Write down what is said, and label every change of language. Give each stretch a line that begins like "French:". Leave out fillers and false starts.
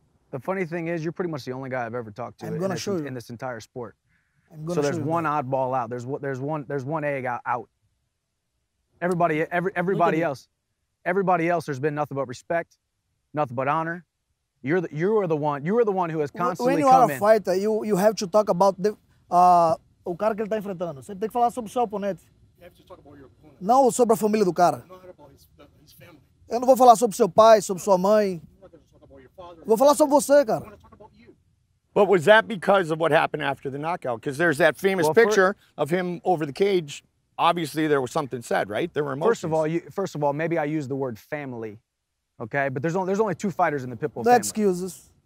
English: The funny thing is, you're pretty much the only guy I've ever talked to in this entire sport. I'm gonna show you. So there's one oddball out. There's one egg out. Everybody else, there's been nothing but respect, nothing but honor. You are the one who has constantly come in. When you are a fighter, you have to talk about the
Portuguese: o cara que ele está enfrentando. Você tem que falar sobre o seu oponente.
English: You have to talk about your opponent.
Portuguese: Não sobre a família do cara.
English: Not about his family.
Portuguese: Eu não vou falar sobre seu pai, sobre sua mãe. Vou falar sobre você, cara.
English: But was that because of what happened after the knockout? Because there's that famous picture of him over the cage. Obviously, there was something said, right? There were emotions. First of all, maybe I used the word family, okay? But there's only two fighters in the Pitbull family. Excuses.